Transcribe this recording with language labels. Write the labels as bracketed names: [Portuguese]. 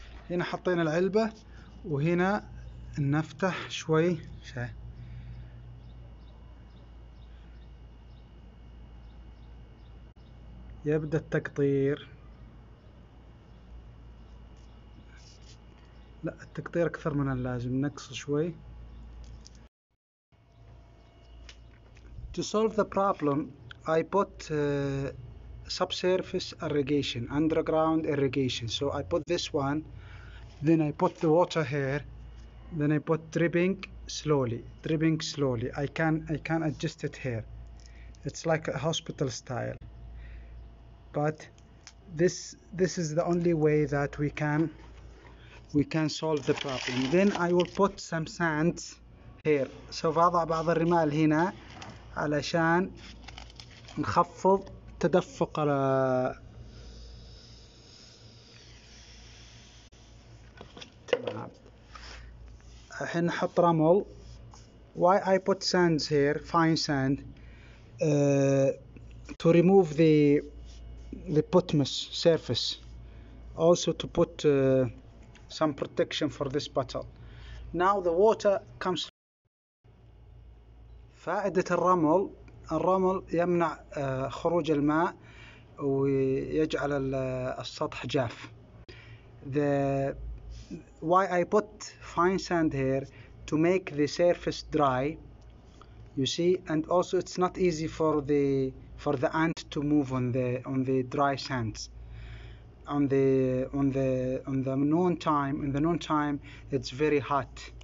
[Arabic] هنا حطينا العلبة، وهنا نفتح شوي يبدأ التقطير. لا، التقطير أكثر من اللازم، نقص شوي. [English] To solve the problem, I put subsurface irrigation, underground irrigation. So I put this one, then I put the water here, then I put dripping slowly. I can adjust it here. It's like a hospital style. But this is the only way that we can solve the problem. Then I will put some sand here. [Arabic] So أضع بعض الرمال هنا علشان نخفض تدفق تمام. الحين نحط رمل. [English] Why I put sands here, fine sand, to remove the putmus surface, also to put some protection for this bottle. Now the water comes. [Arabic] فائدة الرمل الرمل يمنع خروج الماء ويجعل السطح جاف. [English] Why I put fine sand here to make the surface dry, you see, and also it's not easy for the ant to move on the dry sands. In the noon time, it's very hot.